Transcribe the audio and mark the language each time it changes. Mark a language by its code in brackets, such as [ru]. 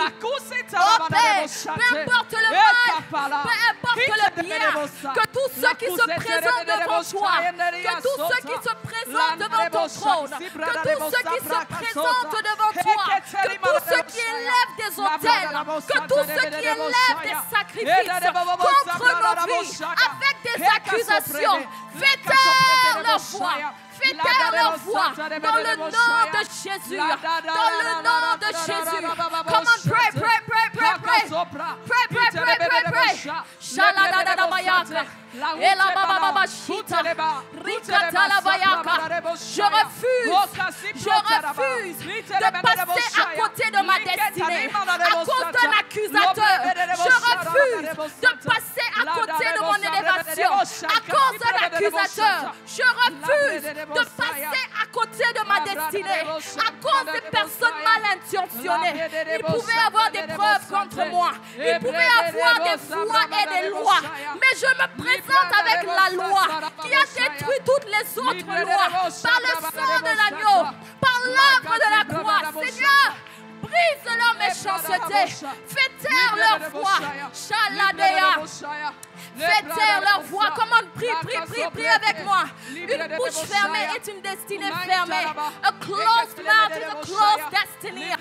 [fr] Oh Père, peu importe le mal, peu importe le bien, que tous ceux qui se présentent devant toi, que tous ceux qui se présentent devant ton trône, que tous ceux qui se présentent devant toi, que tous ceux qui élèvent des autels, que tous ceux qui élèvent des sacrifices contre nos vies avec des accusations, fais taire leur voix. Fais taire leur voix dans le nom de Jésus. Dans le nom de Jésus. [en] Come on, pray, pray, pray, pray, pray. Pray, pray, pray, pray, pray. Shaladadada mayaka. Ela bababa shita. Rikata la mayaka. [fr] Je refuse. Je refuse de passer à côté de ma destinée. À cause d'un accusateur. Je refuse de passer à côté de mon élévation. À cause d'un accusateur. Je refuse de passer à côté de ma destinée. À cause des personnes mal intentionnées. Ils pouvaient avoir des preuves contre moi. Ils pouvaient avoir des voies et des lois. Mais je me présente avec la loi qui a détruit toutes les autres lois. Par le sang de l'agneau. Par l'œuvre de la croix. Seigneur, brise leur méchanceté. Fais taire leur voix. Chaladea. Fais taire leur voix. Commande, prie, prie, prie, prie avec moi. Une bouche fermée est une destinée fermée. [en] A closed mouth is a closed destiny.